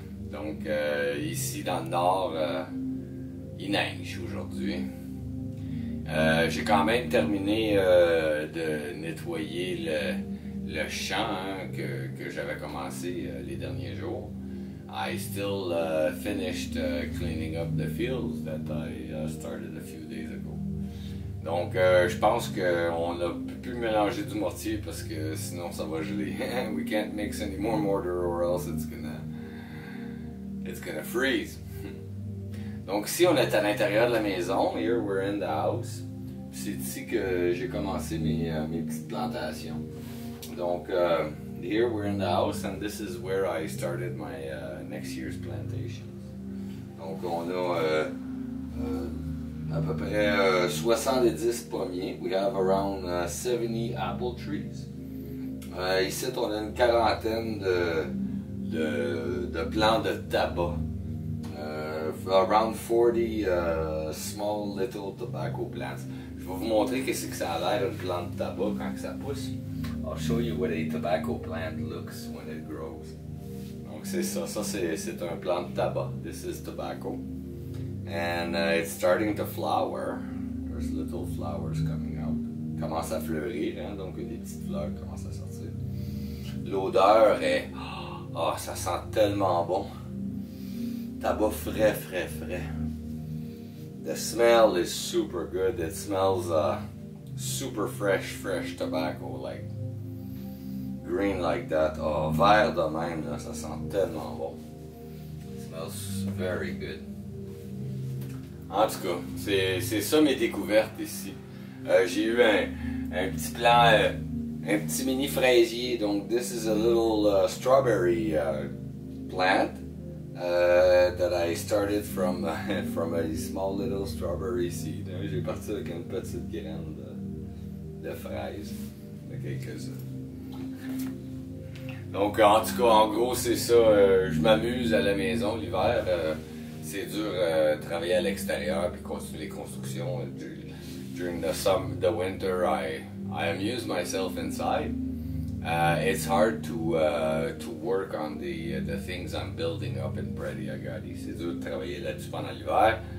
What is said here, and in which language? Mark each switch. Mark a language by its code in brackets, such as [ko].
[fr] Donc, ici dans le nord, il neige aujourd'hui. J'ai quand même terminé de nettoyer le champ que j'avais commencé les derniers jours. [en] I still finished cleaning up the fields that I started a few days ago. [fr] Donc, je pense qu'on a pu mélanger du mortier parce que sinon ça va geler. [en] We can't mix any more mortar or else it's gonna freeze. [fr] Donc ici, on est à l'intérieur de la maison. [en] Here we're in the house. [fr] C'est ici que j'ai commencé mes petites plantations. [en] Donc, here we're in the house and this is where I started my next year's plantations. [fr] Donc, on a à peu près 70 pommiers. [en] We have around 70 apple trees. [fr] Ici, on a une quarantaine de plants de tabac. [en] Around 40 small little tobacco plants. [fr] Je vais vous montrer qu'est-ce que ça a l'air une plante de tabac quand que ça pousse. [en] I'll show you what a tobacco plant looks when it grows. [fr] Donc c'est ça. Ça c'est un plant de tabac. [en] This is tobacco. And it's starting to flower. There's little flowers coming out. [fr] Commence à fleurir, hein? Donc des petites fleurs commencent à sortir. L'odeur est... Oh, ça sent tellement bon. Tabac frais, frais, frais. [en] The smell is super good. It smells super fresh, fresh tobacco, like green like that. [fr] Oh, vert de même, là, ça sent tellement bon. [en] It smells very good. [fr] En tout cas, c'est ça mes découvertes ici. J'ai eu un petit plant, un petit mini fraisier. [en] Donc, this is a little strawberry plant. That I started from a small little strawberry seed. [fr] J'ai parti avec une petite graine de fraise, de quelques-uns. Donc, en tout cas, en gros, c'est ça. Je m'amuse à la maison l'hiver. C'est dur de travailler à l'extérieur puis continuer les constructions. [en] During the summer, the winter, I amuse myself inside. It's hard to work on the things I'm building up in Brady Agadi. [fr] C'est dur de travailler là-dessus pendant l'hiver.